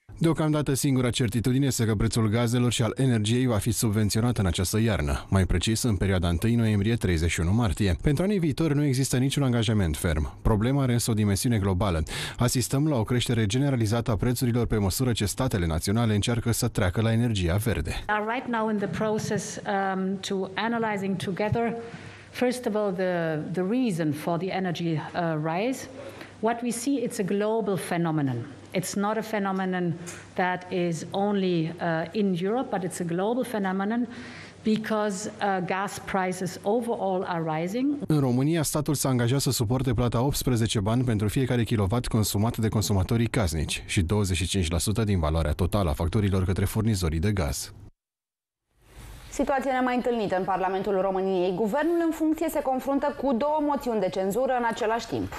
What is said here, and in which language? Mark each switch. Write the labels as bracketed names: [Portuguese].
[Romanian] Deocamdată, singura certitudine este că prețul gazelor și al energiei va fi subvenționat în această iarnă, mai precis în perioada 1 noiembrie-31 martie. Pentru anii viitori nu există niciun angajament ferm. Problema are însă o dimensiune globală. Asistăm la o creștere generalizată a prețurilor pe măsură ce statele naționale încearcă să treacă la energia verde. [English] Right now in the process to analyzing together first of all the reason for the energy rise. What we see, it's a global phenomenon. It's not a phenomenon that is only in Europe, but it's a global phenomenon because gas prices overall are rising. [Romanian] În România, statul s-a angajat să suporte plata 18 bani pentru fiecare kilowatt consumat de consumatorii casnici și 25% din valoarea totală a facturilor către furnizorii de gaz. Situația mai întâlnită în Parlamentul României. Guvernul în funcție se confruntă cu două moțiuni de cenzură în același timp.